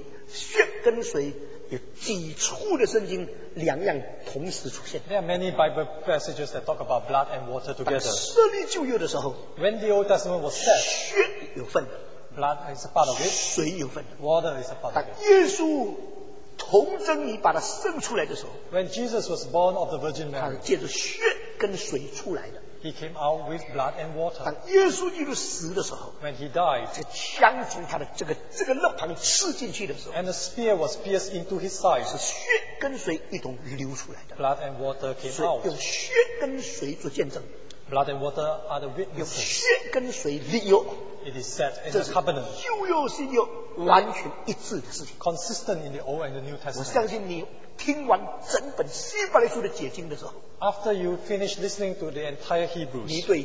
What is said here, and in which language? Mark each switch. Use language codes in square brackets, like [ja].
[zh] 血跟水 有几处的圣经两样同时出现。 [en] There are many Bible passages that talk about blood and water together. [zh] 设立旧约的时候， [en] When the Old Testament was set, [zh] 血有份， [en] Blood is a part of it. [zh] 水有份， [en] Water is a part of it. [zh] 当耶稣童贞于把它生出来的时候， [en] When Jesus was born of the Virgin Mary, [zh] 他是借着血跟水出来的。 [en] He came out with blood and water. [zh] 当耶稣基督死的时候, [en] when he died, [zh] 这个枪从他的这个肋旁刺进去的时候, [en] and the spear was pierced into his side, [zh] 是血跟水一同流出来的, [en] blood and water came out. [zh] 所以用血跟水做见证, [en] blood and water are the witnesses. [zh] 用血跟水立约, [en] it is set in the covenant. [zh] 这是旧约新约完全一致的事情, [en] consistent in the Old and the New Testament. [zh] 我相信你, 听完整本希伯来书的解经的时候, [en] after you finish listening to the entire Hebrews,